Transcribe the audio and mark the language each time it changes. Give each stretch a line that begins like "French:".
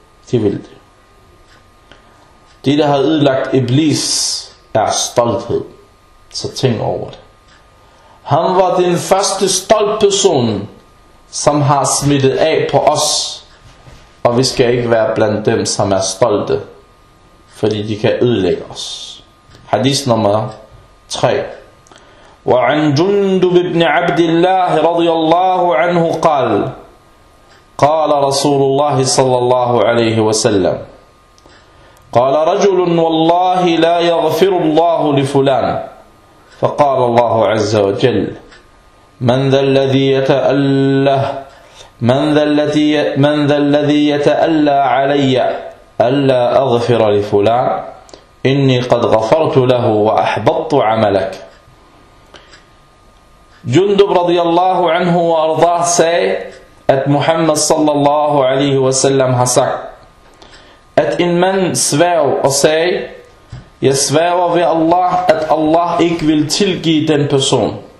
Danish: Det vil det. Det, der har ødelagt Iblis, er stolthed. Så tænk over det. Han var den første stolt person, som har smittet af på os. Og vi skal ikke være blandt dem, som er stolte. Fordi de kan ødelægge os. Hadith nummer 3.
Arabic: وعن جندب بن عبد الله رضي الله عنه قال قال رسول الله صلى الله عليه وسلم قال رجل والله لا يغفر الله لفلان فقال الله عز وجل من ذا الذي يتأله من ذا الذي يتألى علي ألا أغفر لفلان إني قد غفرت له وأحبطت عملك.
Danish: جندب رضي الله عنه وأرضاه say at Muhammad sallallahu alaihi wasallam has sagt at en mand svæv og sagde, jeg svæver ved Allah, at Allah ikke vil tilgive den person.